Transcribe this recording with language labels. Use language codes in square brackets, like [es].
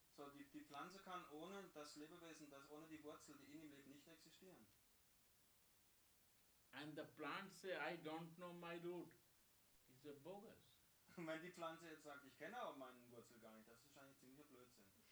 [de] So die Pflanze kann ohne das Lebewesen, das ohne die Wurzel, die in ihm lebt, nicht existieren. [en] And the plants say, I don't know my root. It's a bogus. [de] Wenn die Pflanze jetzt sagt, ich kenne auch meinen Wurzel gar nicht, das ist wahrscheinlich ziemlicher Blödsinn.